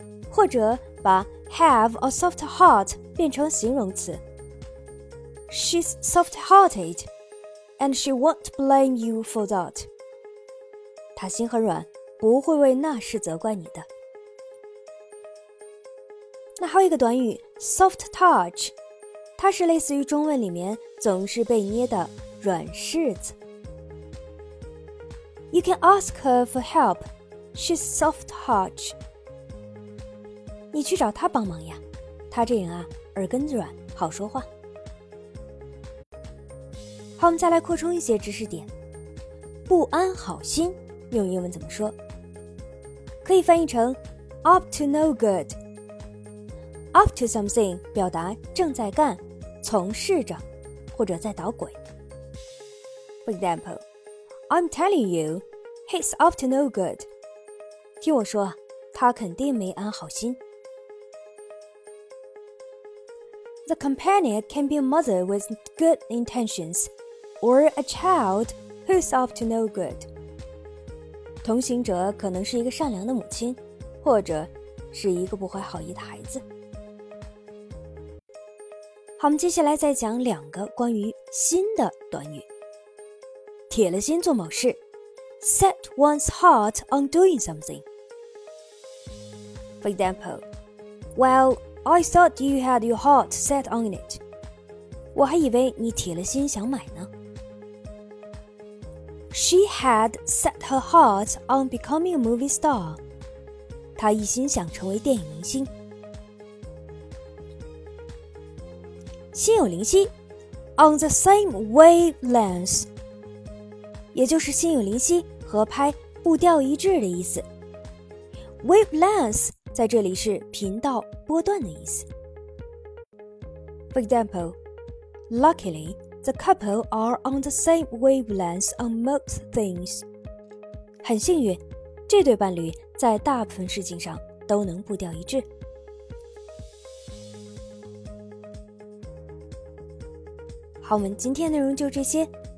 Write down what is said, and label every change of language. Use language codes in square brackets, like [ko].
[zh] 或者把 have a soft heart变成形容词 [en] She's soft-hearted and she won't blame you for that. [zh] 她心很软，不会为那事责怪你的。那还有一个短语 soft touch， 它是类似于中文里面总是被捏的软柿子。 [en] You can ask her for help. She's soft-touch. [zh] 你去找她帮忙呀，她这人啊耳根子软，好说话。好，我们再来扩充一些知识点。不安好心用英文怎么说？可以翻译成 up to no good。up to something 表达正在干，从事着，或者在捣鬼。 [en] For example, I'm telling you, he's up to no good. [zh] 听我说，他肯定没安好心。 [en] The companion can be a mother with good intentions, or a child who's up to no good. [zh] 同行者可能是一个善良的母亲，或者是一个不怀好意的孩子。好，我们接下来再讲两个关于心的短语。铁了心做某事， set one's heart on doing something. [en] For example, well,I thought you had your heart set on it. [zh] 我还以为你铁了心想买呢。 [en] She had set her heart on becoming a movie star. [zh] 她一心想成为电影明星。心有灵犀 ,on the same wavelength. 也就是心有灵犀和拍步调一致的意思。 Wavelength在这里是频道波段的意思。 [en] For example, luckily, the couple are on the same wavelength on most things. [zh] 很幸运，这对伴侣在大部分事情上都能步调一致。好，我们今天内容就这些。